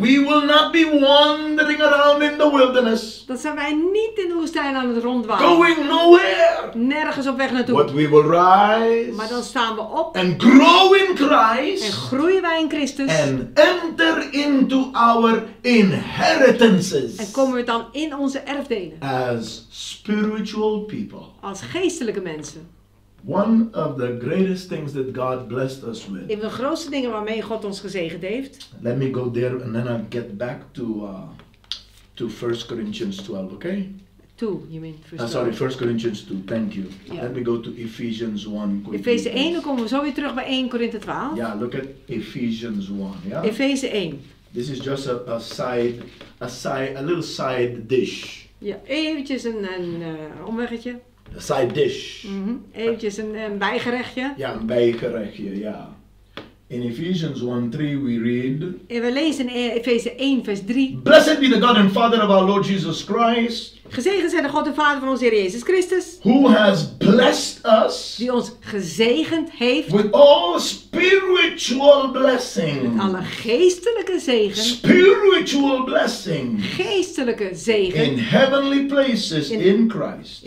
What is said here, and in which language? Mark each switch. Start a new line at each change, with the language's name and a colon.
English: We will not be wandering around in the wilderness.
Dutch: Dan zijn wij niet in de woestijn aan het rondwalen.
English: Going nowhere.
Dutch: Nergens op weg naartoe.
English: But we will rise.
Dutch: Maar dan staan we op.
English: And grow in Christ.
Dutch: En groeien wij in Christus.
English: And enter into our inheritances.
Dutch: En komen we dan in onze erfdelen.
English: As spiritual people.
Dutch: Als geestelijke mensen.
English: One of the greatest things that God blessed us with.
Dutch: Een van de grootste dingen waarmee God ons gezegend heeft.
English: Let me go there and then I'll get back to 1 Corinthians 12, okay? 2, you mean? Sorry, 1 Corinthians 2, thank you. Yeah. Let me go to Ephesians 1.
Dutch: Efeze 1, dan komen we zo weer terug bij 1 Corinthians 12.
English: Ja, yeah, look at Ephesians 1, ja? Yeah? Efeze 1. This is just a little side dish.
Dutch: Ja, eventjes een omweggetje.
English: A side dish. Mm-hmm.
Dutch: Eventjes een bijgerechtje. Ja, een bijgerechtje, ja.
English: In Ephesians 1:3 we read.
Dutch: En we lezen in Efeze 1 vers 3.
English: Blessed be the God and Father of our Lord Jesus Christ.
Dutch: Gezegend zij de God en Vader van onze Heer Jezus Christus.
English: Who has blessed us.
Dutch: Die ons gezegend heeft.
English: With all spiritual blessings.
Dutch: Met alle geestelijke zegen.
English: Spiritual blessing.
Dutch: Geestelijke zegen.
English: In heavenly places in Christ.